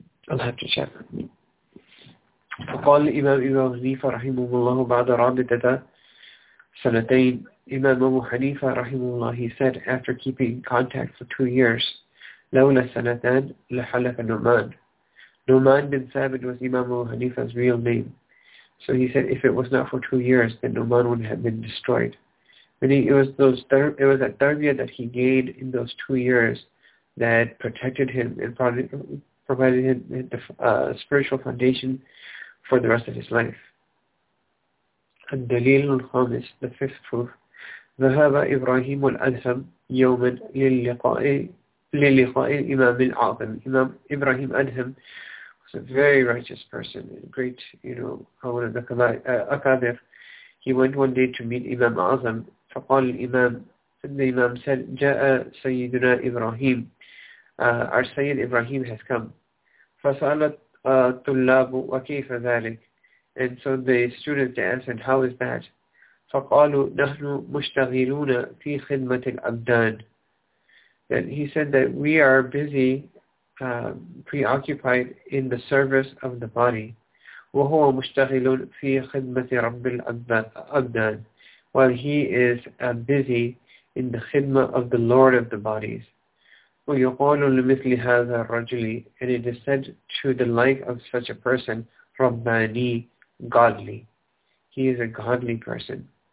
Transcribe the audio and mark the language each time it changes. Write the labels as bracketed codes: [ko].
[en] I'll have to check. [ar] فقال الإمام أبو حنيفة رحمه الله بعد رابطته سنتين. إمام أبو حنيفة رحمه الله, [en] he said after keeping contact for 2 years, [ar] لولا سنتان لحلف نومان. [en] نومان بن ثابت was Imam Abu Hanifa's real name. So he said, if it was not for 2 years, then Nu'man would have been destroyed. But it was that tarbiyah that he gained in those 2 years that protected him and provided him the spiritual foundation for the rest of his life. And Dalil al-Khamis, the fifth proof, [ar] ذهب إبراهيم الأدهم يوما للقاء الإمام العظيم. [en] Imam Ibrahim Adham was a very righteous person, a great, you know, one of the Akabir. He went one day to meet Imam Azam. [ar] فقال الإمام, [en] and the Imam said, [ar] جاء سيدنا إبراهيم. [en] Our Sayyid Ibrahim has come. [ar] فسألت الطلاب وكيف ذلك. [en] And so the student answered, how is that? [ar] فقالوا نحن مشتغلون في خدمة الأبدان. [en] Then he said that we are busy, preoccupied in the service of the body. [ar] وهو مشتغل في خدمة رب الأبدان. [en] While he is busy in the خدمة of the Lord of the bodies. [ar] ويقال لمثل هذا الرجل, [en] and it is said to the like of such a person, رباني, godly. He is a godly person.